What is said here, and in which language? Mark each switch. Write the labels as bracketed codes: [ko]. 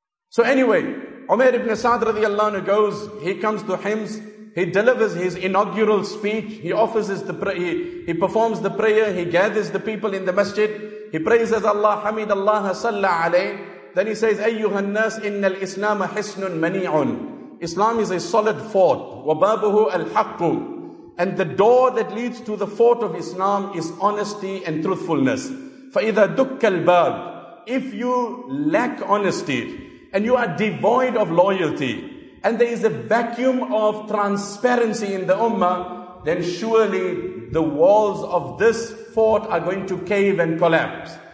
[en] So anyway, Umair ibn Sa'd radiallahu anhu goes, he comes to Hims, he delivers his inaugural speech, he performs the prayer, he gathers the people in the masjid, he praises Allah, Hamid Allah salla alayhi. Then he says, [ar] أَيُّهَا النَّاسِ إِنَّ الْإِسْلَامَ حِسْنٌ مَنِيعٌ. [en] Islam is a solid fort. [ar] وَبَابُهُ الْحَقُّ. [en] And the door that leads to the fort of Islam is honesty and truthfulness. [ar] فَإِذَا دُكَّ الْبَابِ. [en] If you lack honesty and you are devoid of loyalty and there is a vacuum of transparency in the ummah, then surely the walls of this fort are going to cave and collapse.